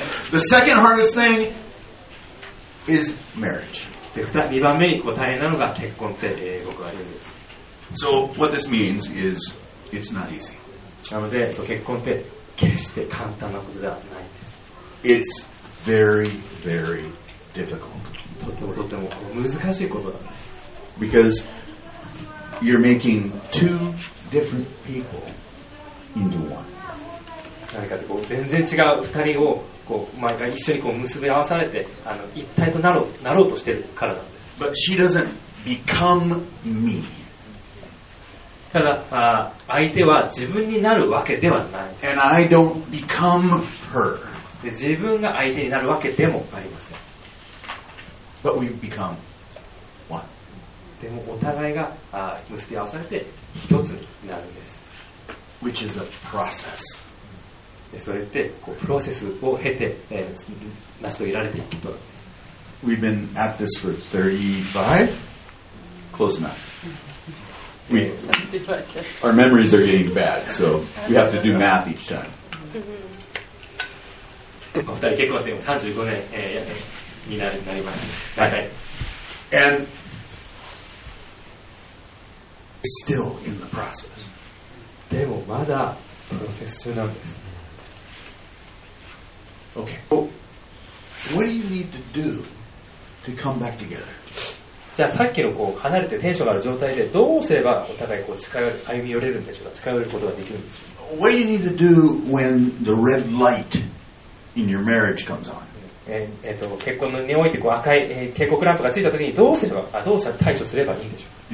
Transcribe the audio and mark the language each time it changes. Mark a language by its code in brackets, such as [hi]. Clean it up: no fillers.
[en] The second hardest thing is marriage. [ja] で、二番目にこう大変なのが結婚って僕は言うんです。 [en] So what this means is it's not easy. [ja] なので、そう結婚って決して簡単なことではないんです。 [en] It's very, very difficult. [ja] とてもとても難しいことなんです。 [en] Because you're making two different people into one. [ja] 何かってこう全然違う二人をこう毎回一緒にこう結び合わされて一体となろうとしてるからなんです。 [en] But she doesn't become me. [ja] ただ相手は自分になるわけではない。 [en] And I don't become her. [ja] で自分が相手になるわけでもありません。 [en] But we've become one. [ja] でもお互いが結び合わされて一つになるんです。 [en] Which is a process. [ja] でそれってこうプロセスを経て、成し遂げられていくことなんです。 [en] We've been at this for 35? Close enough. Our memories are getting bad, so we have to do math each time. [ja] お二人結婚しても35年、になります。はい。 [en] And still in the process. [ja] でもまだプロセス中なんです。 [en] Okay. So, what do you need to do to come back together? [ja] じゃあさっきのこう離れてテンションがある状態でどうすればお互いこう歩み寄れるんでしょうか。近寄ることができるんでしょうか。 [en] What do you need to do when the red light? In your marriage comes on. [ja] 結婚においてこう赤い、警告ランプがついたときにどうすればどうしたら対処すればいいんでしょう。